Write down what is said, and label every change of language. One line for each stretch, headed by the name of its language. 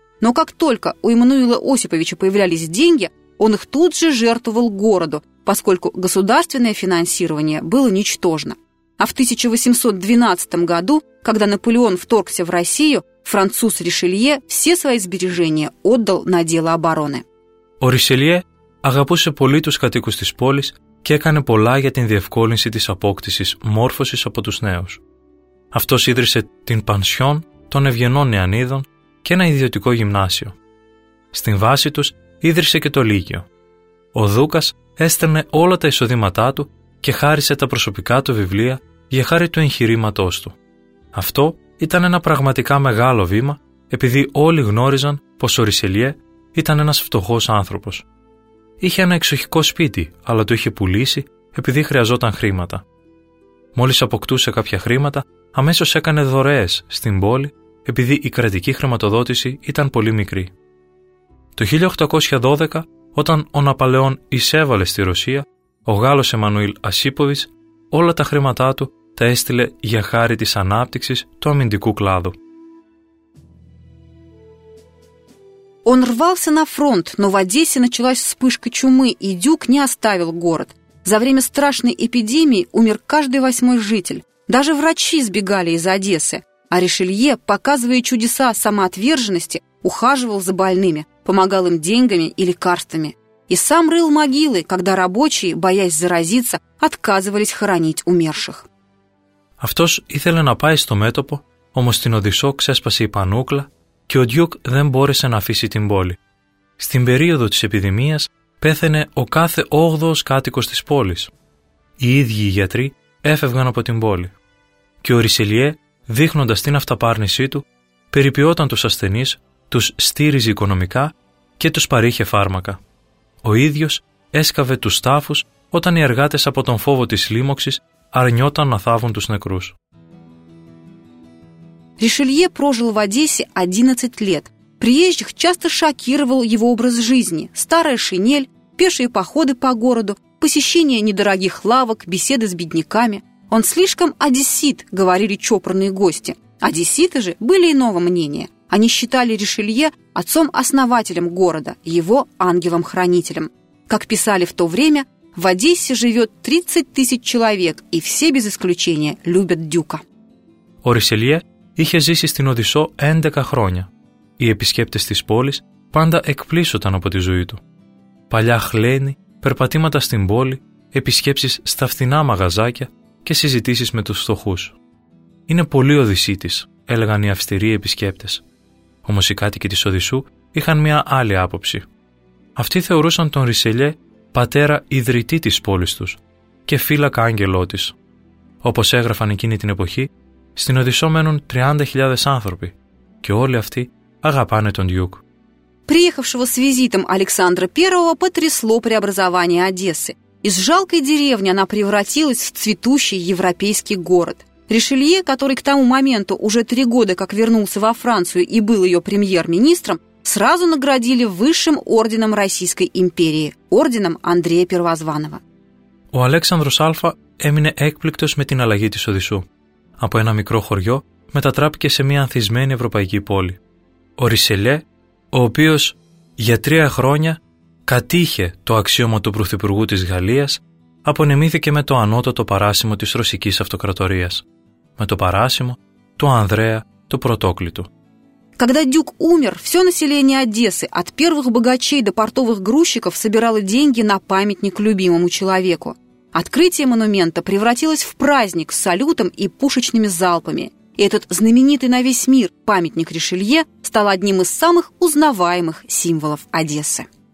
Russian: Но как только у Эммануила Осиповича появлялись деньги, он их тут же жертвовал городу, поскольку государственное финансирование было ничтожно. А в 1812 году, когда Наполеон вторгся в Россию, француз Ришелье все свои сбережения отдал на дело обороны.
Greek: Ο Ρισελιέ αγαπούσε πολύ τους κατοίκους της πόλης και έκανε πολλά για την διευκόλυνση της απόκτησης μόρφωσης από τους νέους. Αυτός ίδρυσε την πανσιόν των ευγενών νεανίδων και ένα ιδιωτικό γυμνάσιο. Στην βάση τους ίδρυσε και το Λύκειο. Ο Δούκας έστερνε όλα τα εισοδήματά του και χάρισε τα προσωπικά του βιβλία για χάρη του εγχειρήματός του. Αυτό ήταν ένα πραγματικά μεγάλο βήμα, επειδή όλοι γνώριζαν πως ο Ρισελιέ ήταν ένας φτωχός άνθρωπος. Είχε ένα εξοχικό σπίτι, αλλά το είχε πουλήσει επειδή χρειαζόταν χρήματα. Μόλις αποκτούσε κάποια χρήματα, αμέσως έκανε δωρεές στην πόλη, επειδή η κρατική χρηματοδότηση ήταν πολύ μικρή. Το 1812, όταν ο Ναπαλεόν εισέβαλε στη Ρωσία, ο Γάλλος Εμμανουήλ Ασίποβιτς όλα τα χρήματά του τα έστειλε για χάρη της ανάπτυξης του αμυντικού κλάδου.
Russian: Он рвался на фронт, но в Одессе началась вспышка чумы, и Дюк не оставил город. За время страшной эпидемии умер каждый восьмой житель. Даже врачи сбегали из Одессы. А Ришелье, показывая чудеса самоотверженности, ухаживал за больными, помогал им деньгами и лекарствами. И сам рыл могилы, когда рабочие, боясь заразиться, отказывались хоронить умерших.
Greek: Автос ήθελε να πάει στο μέτωπο, όμως στην Οδυσσό ξέσπασε η πανούκλα και ο Ντιούκ δεν μπόρεσε να αφήσει την πόλη. Στην περίοδο της επιδημίας πέθαινε ο κάθε 8ος κάτοικος της πόλης. Οι ίδιοι οι γιατροί έφευγαν από την πόλη. Και ο Ρισελιέ, δείχνοντας την αυταπάρνησή του, περιποιόταν τους ασθενείς, τους στήριζε οικονομικά και τους παρήχε φάρμακα. Ο ίδιος έσκαβε τους τάφους όταν οι εργάτες από τον φόβο της λίμωξης αρνιόταν να θάβουν τους νεκρούς.
Russian: Ришелье прожил в Одессе 11 лет. Приезжих часто шокировал его образ жизни. Старая шинель, пешие походы по городу, посещение недорогих лавок, беседы с бедняками. Он слишком одессит, говорили чопорные гости. Одесситы же были иного мнения. Они считали Ришелье отцом-основателем города, его ангелом-хранителем. Как писали в то время, в Одессе живет 30 тысяч человек, и все без исключения любят Дюка.
Greek: О Ришелье είχε ζήσει στην Οδυσσό 11 χρόνια. Οι επισκέπτες της πόλης πάντα εκπλήσωταν από τη ζωή του. Παλιά χλαίνη, περπατήματα στην πόλη, επισκέψεις στα φθηνά μαγαζάκια και συζητήσεις με τους φτωχούς. «Είναι πολύ Οδυσσίτης», έλεγαν οι αυστηροί επισκέπτες. Όμως οι κάτοικοι της Οδυσσού είχαν μια άλλη άποψη. Αυτοί θεωρούσαν τον Ρισελιέ πατέρα ιδρυτή της πόλης τους και φύλακα άγγελό της. Όπως έγραφαν εκείνη την εποχή, στην Οδυσσό μένουν 30.000 άνθρωποι και όλοι αυτοί αγαπάνε τον Дюк.
Russian: Приехавшего с визитом Александра I потрясло преобразование Одессы. Из жалкой деревни она превратилась в цветущий европейский город. Ришелье, который к тому моменту уже 3 года как вернулся во Францию и был ее премьер-министром, сразу наградили высшим орденом Российской империи, орденом Андрея Первозванного.
Greek: Ο Αλέξανδρος Α έμεινε έκπληκτος με την αλλαγή της Οδυσσού. Από ένα μικρό χωριό μετατράπηκε σε μια ανθισμένη ευρωπαϊκή πόλη. Ο Ρισελιέ, ο οποίος για 3 χρόνια κατήχε το αξίωμα του Πρωθυπουργού της Γαλλίας, απονεμήθηκε με το ανώτατο παράσημο της Ρωσικής Αυτοκρατορίας. Με το παράσημο του Ανδρέα του Πρωτόκλητου.
Russian: Когда Дюк умер, все население Одессы, от первых богачей до портовых грузчиков, собирало деньги на памятник любимому человеку. Открытие монумента превратилось в праздник с салютом и пушечными залпами. И этот знаменитый на весь мир памятник Ришелье стал одним из самых узнаваемых символов Одессы.